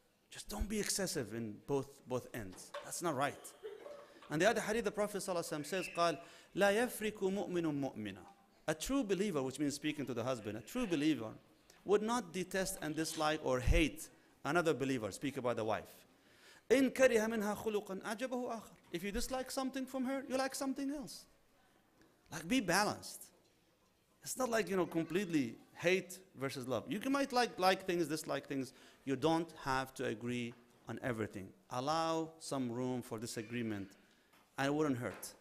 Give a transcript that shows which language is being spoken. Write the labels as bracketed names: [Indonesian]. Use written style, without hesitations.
[English] Just don't be excessive in both ends. That's not right. And the other hadith, the Prophet ﷺ says, [Arabic] قال, لا يفرق مؤمن مؤمنا. [English] A true believer, which means speaking to the husband, a true believer would not detest and dislike or hate another believer. Speak about the wife. [Arabic] إن كره منها خلقا أعجبه آخر. [English] If you dislike something from her, you like something else. Like, be balanced. It's not like, you know, completely hate versus love. You might like things, dislike things. You don't have to agree on everything. Allow some room for disagreement, and it wouldn't hurt.